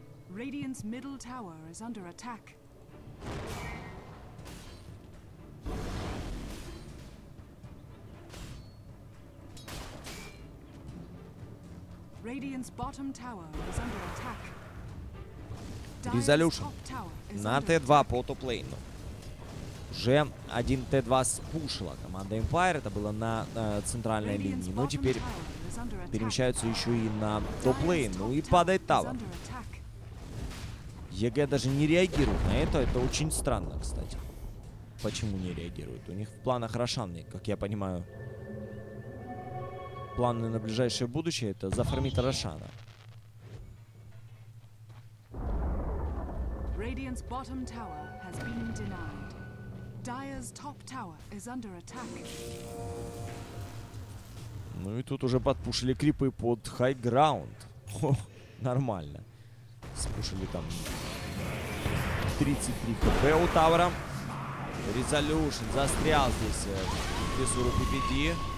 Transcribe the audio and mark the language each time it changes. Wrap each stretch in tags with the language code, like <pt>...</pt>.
<en>Radiant's middle tower is under attack. Radiant's bottom tower is under attack.</en> <ru>Резолюшн на Т2 по топ-лейну. уже один Т-2 спушила команда Empire. Это было на центральной линии. Ну, теперь перемещаются еще и на топ-лейн. Ну и падает Тауэр. ЕГЭ даже не реагирует на это. Это очень странно, кстати. Почему не реагирует? У них в планах Рошанны, как я понимаю. Планы на ближайшее будущее — это зафармить Рошанну.</ru> <en>Radiant's bottom tower has been denied. Dire's top tower is under attack.</en> <ru>Ну и тут уже подпушили крипы под high ground. О, нормально. Спушили там 33 хп у Тауэра. Резолюшн застрял здесь в лесу Рупи-Пи-Ди.</ru>